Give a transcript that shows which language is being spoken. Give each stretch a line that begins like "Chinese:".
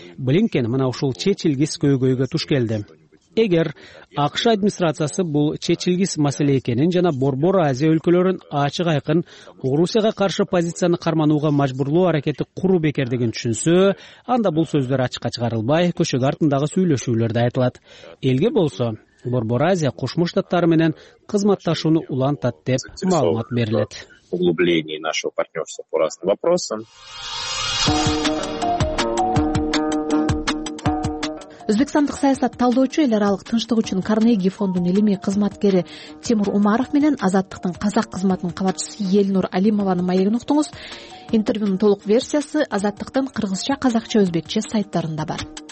Kyrgyz: Блинкен мына ушул чечилгис көйгөйгө туш келди. Эгер АКШ администрациясы бул чечилгис маселе экенин жана Борбор Азия өлкөлөрүн ачык айкын Орусияга каршы позицияны карманууга мажбурлоо аракети куру бекер деген түшүнсө, анда бул сөздөр ачыкка чыгарылбай, көчө артындагы сүйлөшүүлөрдө айтылат. Элге болсо, Борборазия Кошмо Штаттары менен кызматташууну улантат деп маалымат берилет.
Russian: Углубление нашего партнерства по разным вопросам.
Kyrgyz: Өзбекстандык саясат талдоочу эл аралык тынчтык үчүн Карнеги фондунун илимий кызматкери Тимур Умаров менен Азаттыктын казак кызматынын кабатчысы Элнур Алимованын маегин уктуңуз. Интервьюнун толук версиясы Азаттыктын кыргызча, казакча, өзбекче сайттарында бар.